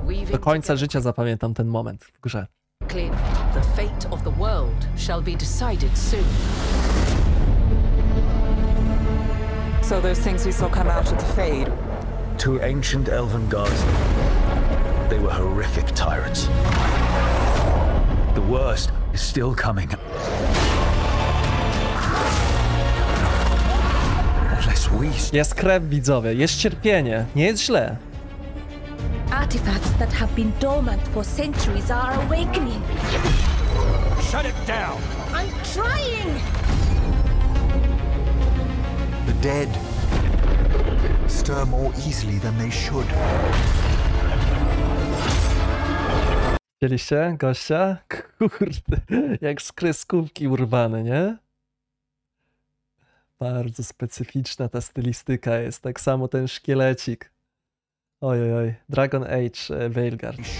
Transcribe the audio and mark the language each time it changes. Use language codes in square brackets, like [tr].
[pl] Do końca życia zapamiętam ten moment w grze. [en] The fate of the world shall be decided soon. So those things we saw come out of the fade. Two ancient elven gods. They were horrific tyrants. The worst is still coming. [pl] Jest krew, widzowie, jest cierpienie, nie jest źle. [en] Artifacts that have been dormant for centuries are awakening. Shut it down. I'm trying. The dead stir more easily than they should. [pl] Widzieliście gościa? Kurde, jak z kreskówki urwany, nie? Bardzo specyficzna ta stylistyka jest, tak samo ten szkielecik. Oj, oj, oj. [en] Dragon Age Veilguard.